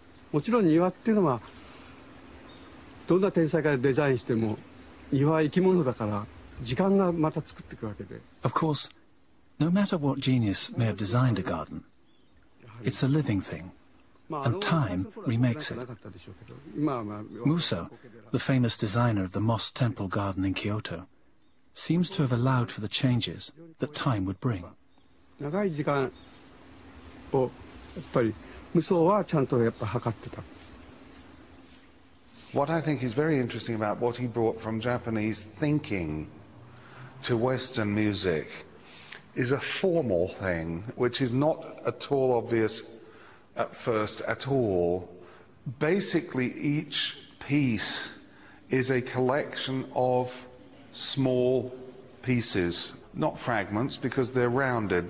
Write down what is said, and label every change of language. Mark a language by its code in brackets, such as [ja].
[ja] もちろん庭っていうのはどんな天才がデザインしても庭は生き物だから時間がまた作っていくわけで。 [en] Of course, no matter what genius may have designed a garden, it's a living thing, and time remakes it. Muso, the famous designer of the mosque temple garden in Kyoto, seems to have allowed for the changes that time would bring. [ja] 長い時間をやっぱり無双はちゃんとやっぱ測ってた。 [en] What I think is very interesting about what he brought from Japanese thinking to Western music is a formal thing, which is not at all obvious at first at all. Basically, each piece is a collection of small pieces, not fragments, because they're rounded.